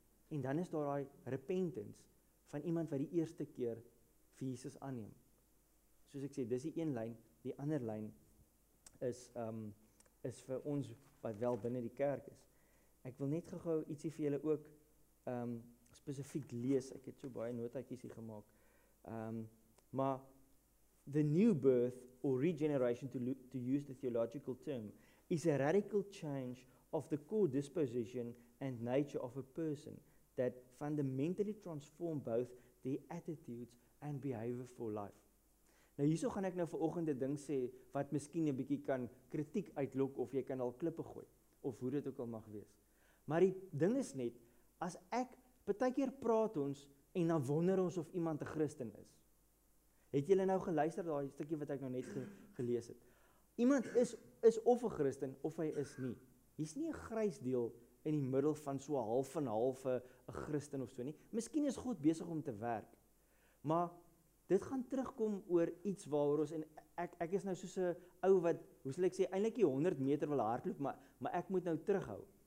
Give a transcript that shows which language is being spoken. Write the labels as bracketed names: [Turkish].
[Afrikaans] En dan is daar daai repentance, van iemand wat die eerste keer vir Jesus aanneem. Soos ek sê, dis die een lyn, die ander lyn is vir ons wat wel binne die kerk is. Ek wil net gou ietsie vir julle ook spesifiek lees. Ek het so baie notaatjies hier gemaak. [English] Maar the new birth or regeneration to use the theological term is a radical change of the core disposition and nature of a person that fundamentally transform both their attitudes and behavior for life. [Afrikaans] Nou hierso gaan ek nou vanoggend 'n ding sê wat miskien 'n bietjie kan kritiek uitlok of jy kan al klippe gooi of hoe dit ook al mag wees. Maar die ding is net, as ek, partykeer praat ons, en dan wonder ons of iemand 'n Christen is. Het julle nou geluister daai stukkie wat ek nou net gelees het? Iemand is of 'n Christen, of hy is nie. Hier's nie 'n grys deel in die middel van so half en half 'n Christen of so nie. Miskien is God besig om te werk. Maar dit gaan terugkom oor iets waaroor ons, en ek is nou soos 'n ou wat, hoe sal ek sê, eintlik die 100 meter wil hardloop, maar ek moet nou terughou.